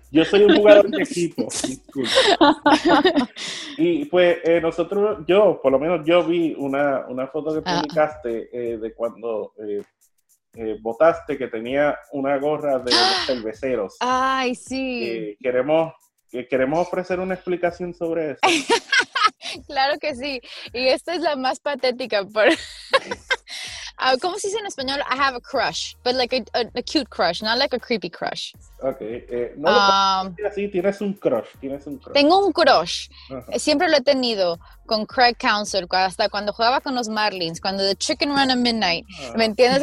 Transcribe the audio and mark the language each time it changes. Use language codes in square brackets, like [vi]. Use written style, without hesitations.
[es] Yo soy un jugador de equipo. Disculpa. Y pues nosotros, yo, por lo menos yo vi una foto que publicaste de cuando votaste que tenía una gorra de los cerveceros. ¡Ay, sí! Queremos ofrecer una explicación sobre eso. ¡Claro que sí! Y esta es la más patética. ¿Cómo se dice en español? [en] I have a crush, but like a cute crush, not like a creepy crush. [es] Okay, tienes un crush. Tengo un crush. Uh-huh. Siempre lo he tenido con Craig Counsell, hasta cuando jugaba con los Marlins, cuando The Chicken Run at Midnight. Uh-huh. ¿Me entiendes?